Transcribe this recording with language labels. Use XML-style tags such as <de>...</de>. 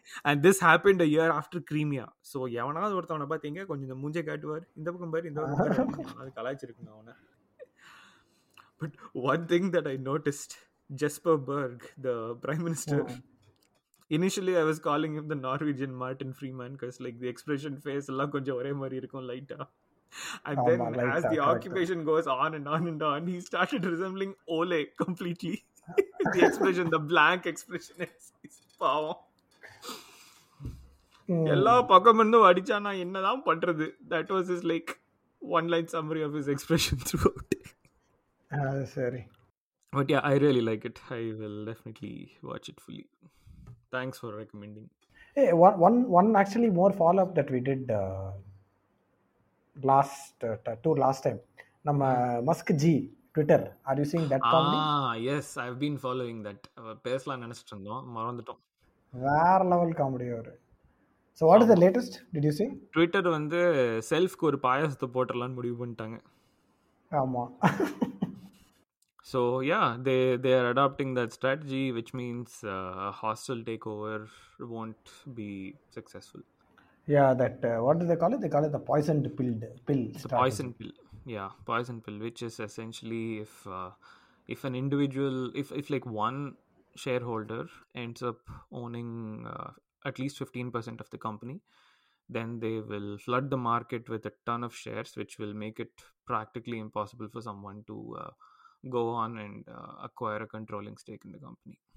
<en>And this happened a year after Crimea.</en> <ta>So, எவனாவது ஒருத்தவனை பார்த்தீங்க கொஞ்சம் இந்த மூஞ்சை காட்டுவார், இந்த பக்கம் பாரு, இந்த பக்கம் பாரு, அது கலாய்ச்சிருக்கு அவனை.</ta> <en>but one thing that I noticed, Jesper Berg, the prime minister, initially I was calling him the Norwegian Martin Freeman, because like the expression, face</en> <ta>எல்லாம் கொஞ்சம் ஒரே மாதிரி இருக்கும் லைட்டா.</ta> <en>And then as the occupation goes on and on and on, he started resembling Ole completely. The expression, the blank expression is பாவம்.</en> <ta>எல்லா பக்கமிருந்தும் அடிச்சா நான் என்னதான் பண்றது.</ta> <en>That was is like one line summary of is expression throughout.</en> <ta>சரி,</ta> <en>But yeah, I really like it. I will definitely watch it fully. Thanks for recommending. Uh, one one actually more follow up that we did last time நம்ம Musk ji Twitter are you seeing that comedy ah yes I have been following that</en> <ta>பேசலாம் நினைச்சிட்டு இருந்தோம் மறந்துட்டோம் வேற level comedy ஒரு</ta> <en>so what is the latest did you see</en> <ta>Twitter வந்து செல்ஃப்க்கு ஒரு பாயாசத்தை போட்டறலாம்னு முடிவு பண்ணிட்டாங்க ஆமா</ta> <en>So yeah, they are adopting that strategy, which means hostile takeover won't be successful. Yeah, that what do they call it? They call it the poisoned pill strategy. Poison pill. Yeah, poison pill, which is essentially if an individual, if like one shareholder ends up owning at least 15% of the company, then they will flood the market with a ton of shares, which will make it practically impossible for someone to go on and acquire a controlling stake in the company.</en>